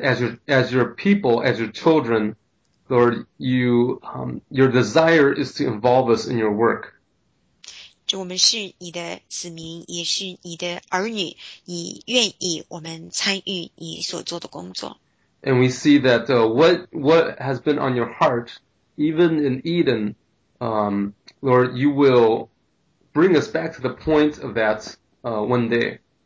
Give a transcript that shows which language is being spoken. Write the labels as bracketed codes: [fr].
[en] as your people, as your children, Lord, your desire is to involve us in your work. [zh] 主，我们是你的子民，也是你的儿女，你愿意我们参与你所做的工作。 [en] And we see that what has been on your heart, even in Eden, Lord, you will bring us back to the point of that one day.